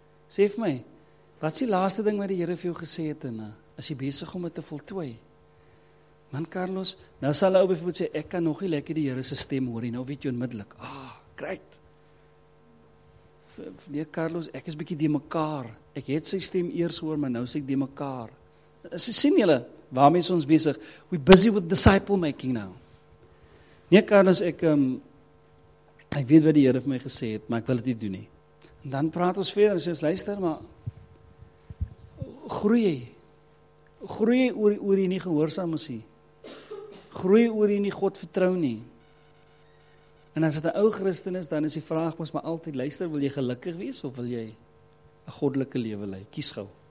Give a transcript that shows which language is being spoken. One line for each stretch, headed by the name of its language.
Afrikaans: Sê vir my, wat is die laaste ding wat die Here vir jou gesê het en is jy besig om dit te voltooi? Man Carlos, nou sal ou bijvoorbeeld sê, ek kan nog nie lekker die Here se stem hoor nie. Nou weet jy onmiddellik.
English: Ah, great.
Afrikaans: Nee Carlos, ek is bietjie die mekaar. Ek het sy stem eers hoor, maar nou is ek die mekaar. Sien julle? Waarmee is ons besig?
English: We busy with disciple making now.
Afrikaans: Nee, Carlos, ek weet wat die Here vir my gesê het, maar ek wil dit nie doen nie. En dan praat ons verder, sê ons, luister, maar groei oor jy nie gehoorsaam is nie. Groei oor jy nie God vertrou nie. En as dit 'n ou Christen is, dan is die vraag mos maar altyd, luister, wil jy gelukkig wees of wil jy 'n goddelike lewe lei? Kies gou.